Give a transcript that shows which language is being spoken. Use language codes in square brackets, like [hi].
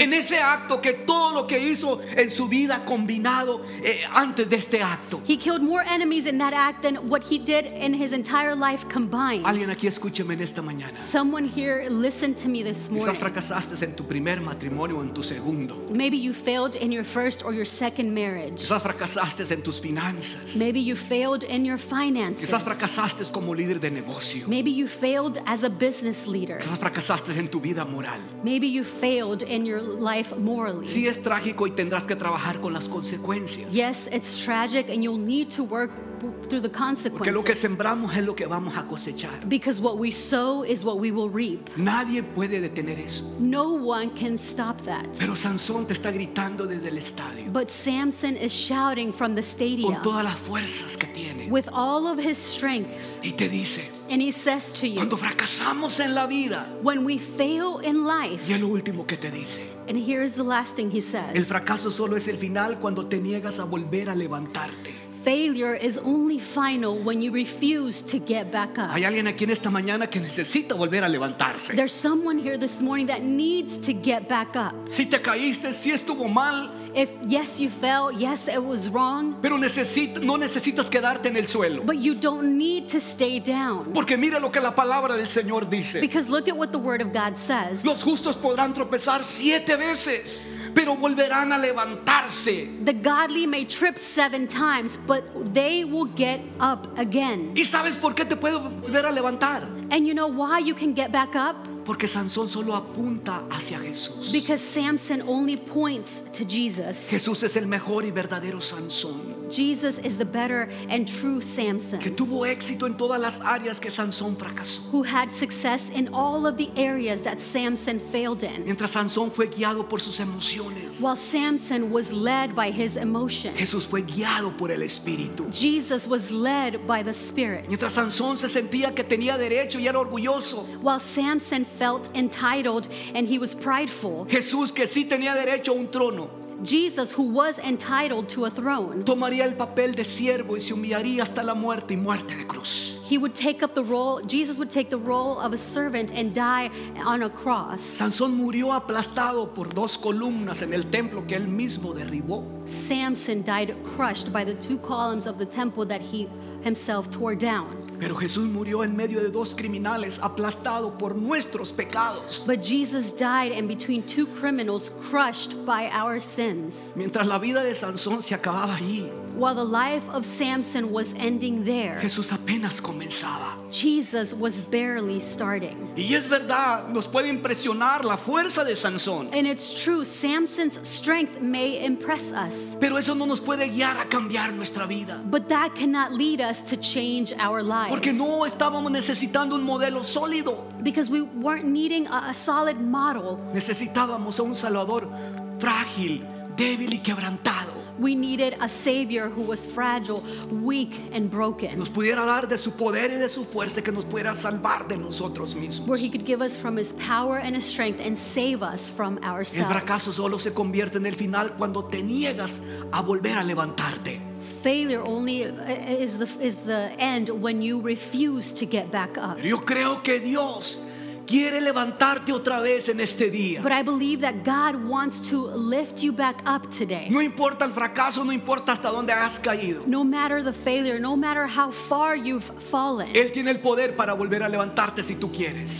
[es] En ese acto que todo lo que hizo en su vida combinado antes de este acto. [en] He killed more enemies in that act than what he did in his entire life combined. [es] Alguien aquí escúcheme en esta mañana. [en] Someone here, listen to me this morning. [es] Quizás fracasaste en tu primer matrimonio o en tu segundo. [en] Maybe you failed in your first or your second marriage. [es] Quizás fracasaste en tus finanzas. [en] Maybe you failed in your finances. [es] Quizás fracasaste como líder de negocio. [en] Maybe you failed as a business leader. [es] Quizás fracasaste en tu vida moral. [en] Maybe you failed in your life morally. [es] Sí, es trágico y tendrás que trabajar con las consecuencias. [en] Yes, it's true. Tragic, and you'll need to work through the consequences. [es] Porque lo que sembramos es lo que vamos a cosechar. [en] Because what we sow is what we will reap. [es] Nadie puede detener eso. [en] No one can stop that. [es] Pero Sansón te está gritando desde el estadio. [en] But Samson is shouting from the stadium. [es] Con todas las fuerzas que tiene. [en] With all of his strength. [es] Y te dice. [en] And he says to you, [es] cuando fracasamos en la vida, [en] when we fail in life, [es] y es lo último que te dice, [en] and here is the last thing he says, [es] el fracaso solo es el final cuando te niegas a volver a levantarte. [en] Failure is only final when you refuse to get back up. [es] Hay alguien aquí en esta mañana que necesita volver a levantarse. [en] There's someone here this morning that needs to get back up. [es] Si te caíste, si estuvo mal. [en] If yes, you fell, yes, it was wrong. [es] Pero no necesitas quedarte en el suelo. [en] But you don't need to stay down. [es] Porque mira lo que la palabra del Señor dice. [en] Because look at what the word of God says. [es] Los justos podrán tropezar siete veces, pero volverán a levantarse. [en] The godly may trip seven times, but they will get up again. [es] ¿Y sabes por qué te puedo volver a levantar? [en] And you know why you can get back up? [es] Porque Sansón solo apunta hacia Jesús. [en] Because Samson only points to Jesus. [es] Jesús es el mejor y verdadero Sansón. [en] Jesus is the better and true Samson. [es] Que tuvo éxito en todas las áreas que Sansón fracasó. [en] Who had success in all of the areas that Samson failed in. [es] Mientras Sansón fue guiado por sus emociones. [en] While Samson was led by his emotions. [es] Jesús fue guiado por el Espíritu. [en] Jesus was led by the Spirit. [es] Mientras Sansón se sentía que tenía derecho y era orgulloso. [en] While Samson felt entitled and he was prideful. [es] Jesús, que sí tenía derecho a un trono. [en] Jesus, who was entitled to a throne, [es] tomaría el papel de siervo y se humillaría hasta la muerte y muerte de cruz. [en] He would take up the role, Jesus would take the role of a servant and die on a cross. [es] Sansón murió aplastado por dos columnas en el templo que él mismo derribó. [en] Samson died crushed by the two columns of the temple that he himself tore down. [es] Pero Jesús murió en medio de dos criminales, aplastado por nuestros pecados. [en] But Jesus died in between two criminals, crushed by our sins. [es] Mientras la vida de Sansón se acababa ahí, [en] while the life of Samson was ending there, [es] Jesús apenas comenzaba. [en] Jesus was barely starting. [es] Y es verdad, nos puede impresionar la fuerza de Sansón. [en] And it's true, Samson's strength may impress us. [es] Pero eso no nos puede guiar a cambiar nuestra vida. [en] But that cannot lead us to change our lives. [es] Porque no estábamos necesitando un modelo sólido. [en] Because we weren't needing a solid model. [es] Necesitábamos a un Salvador frágil, débil y quebrantado. [en] We needed a savior who was fragile, weak, and broken. [es] Nos pudiera dar de su poder y de su fuerza que nos pudiera salvar de nosotros mismos. [en] Where he could give us from his power and his strength and save us from ourselves. [es] El fracaso solo se convierte en el final cuando te niegas a volver a levantarte. [en] Failure only is the end when you refuse to get back up. [es] Yo creo que Dios quiere levantarte otra vez en este día. [en] But I believe that God wants to lift you back up today. [es] No importa el fracaso, no importa hasta dónde has caído. [en] No matter the failure, no matter how far you've fallen. [es] Él tiene el poder para volver a levantarte si tú quieres.